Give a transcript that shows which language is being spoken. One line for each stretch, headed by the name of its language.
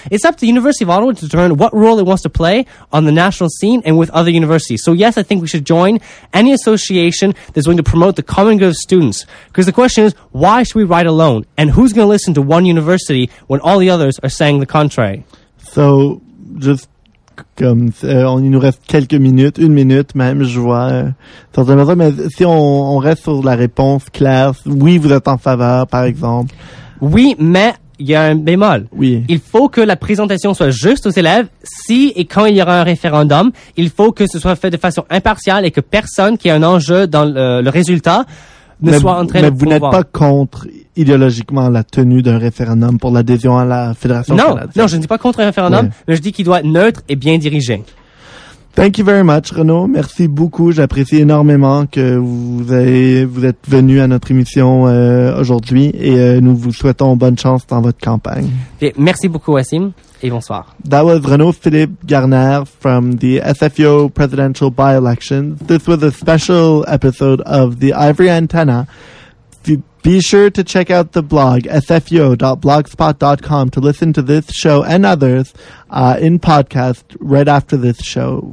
English: It's up to the University of Ottawa to determine what role it wants to play on the national scene and with other universities. So yes, I think we should join any association that's going to promote the common good of students. Because the question is, why should we ride alone? And who's going to listen to one university when all the others are saying the contrary? So, just
French: comme on il nous reste quelques minutes, une minute même, je vois. Dans un moment, mais si on reste sur la réponse claire, oui, vous êtes en faveur, par exemple. Oui, mais il y a un bémol. Oui. Il faut que la présentation soit juste aux élèves. Si et quand il y aura un référendum, il faut que ce soit fait de façon impartiale et que personne qui a un enjeu dans le résultat ne mais soit en train mais de vous pouvoir. N'êtes pas contre idéologiquement la tenue d'un référendum pour l'adhésion à la Fédération canadienne. Non, je ne dis pas contre un référendum, oui. Mais je dis qu'il doit être neutre et bien dirigé.
English: Thank you very much, Renaud.
French: Merci beaucoup. J'apprécie énormément que vous êtes venu à notre émission aujourd'hui et nous vous souhaitons bonne chance dans votre campagne. Bien, merci beaucoup, Wassim, et bonsoir.
English: That was Renaud Philippe Garner from the SFEO Presidential By-Election. This was a special episode of the Ivory Antenna. Be sure to check out the blog, sfeo.blogspot.com, to listen to this show and others in podcast right after this show.